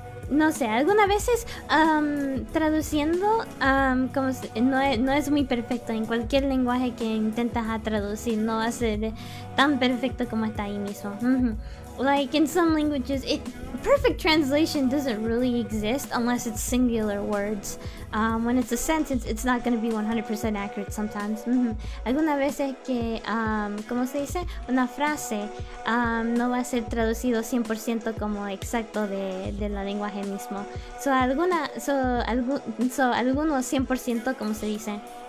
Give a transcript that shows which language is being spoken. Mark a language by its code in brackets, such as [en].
[es] no sé, algunas veces traduciendo, como no es muy perfecto en cualquier lenguaje que intentas a traducir, no va a ser tan perfecto como está ahí mismo. [en] Like in some languages, perfect translation doesn't really exist unless it's singular words. When it's a sentence, it's not going to be 100% accurate sometimes. [es] Alguna vez es que, ¿cómo se dice? Una frase no va a ser traducido 100% como exacto de la lenguaje mismo. Algunos 100%, ¿cómo se dice?